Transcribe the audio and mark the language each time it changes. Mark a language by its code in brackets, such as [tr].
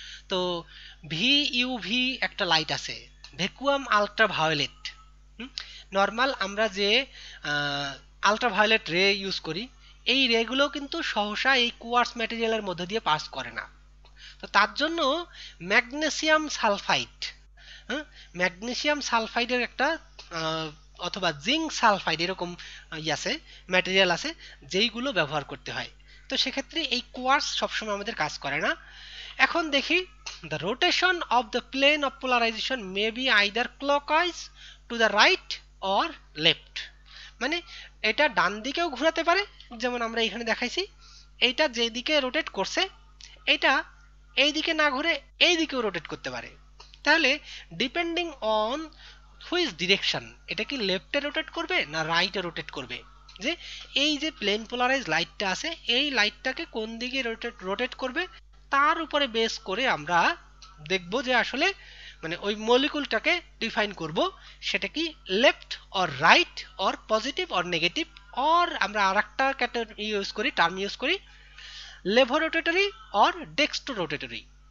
[bn] তো V UV একটা light আছে, ভ্যাকুয়াম আল্ট্রাভায়োলেট, নর্মাল আমরা যে আল্ট্রাভায়োলেট রে ইউজ করি এই রেগুলো কিন্তু সহসা এই কোয়ার্টস ম্যাটেরিয়ালের মধ্যে দিয়ে পাস করে না, তো তার জন্য ম্যাগনেসিয়াম সালফাইড, ম্যাগনেসিয়াম সালফাইডের একটা অথবা জিঙ্ক সালফাইড এরকম আছে ম্যাটেরিয়াল আছে যেইগুলো ব্যবহার করতে হয়, তো সেক্ষেত্রে এই কোয়ার্টস সবসময় আমাদের কাজ করে না। এখন দেখি [en] The rotation of the plane of polarization may be either clockwise to the right or left. [bn] মানে এটা ডান দিকেও ঘুরাতে পারে, যেমন আমরা এখানে দেখাইছি, এইটা যেদিকে রোটেট করছে এইটা এই দিকে না ঘুরে এই দিকেও রোটেট করতে পারে। তাহলে [en] depending on which direction, [bn] এটা কি লেফটে রোটেট করবে না রাইটে রোটেট করবে, যে এই যে প্লেন পোলারাইজ লাইটটা আছে এই লাইটটাকে কোন দিকে রোটেট রোটেট করবে, তার উপরে বেস করে আমরা দেখব যে আসলে মানে ওই মলিকুলটাকে ডিফাইন করব সেটা কি [en] left or right or positive or negative, [bn] or আমরা আর একটা ক্যাটাগরি ইউজ করি, টার্ম ইউজ করি, [en] Levorotatory or dextrorotatory.